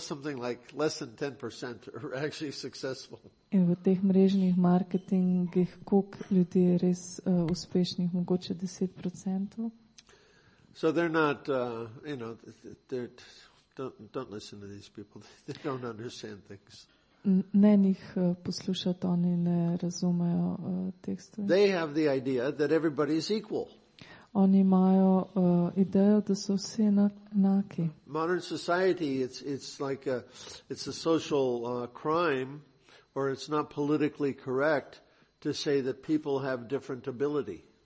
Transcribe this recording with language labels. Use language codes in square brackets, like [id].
[en] Something like less than 10% are actually successful. [sl] In v teh mrežnih marketingih, koliko ljudi je res uspešnih, mogoče 10%? [en] So they're not, you know, they're, don't listen to these people. They don't understand things. [sl] Ne njih poslušati, oni ne razumejo teh stvari. [en] They have the idea that everybody is equal. [sl] Oni imajo idejo, da so vsi enaki. [en] Modern society, it's like it's a social crime, or it's not politically correct to say that people have different ability.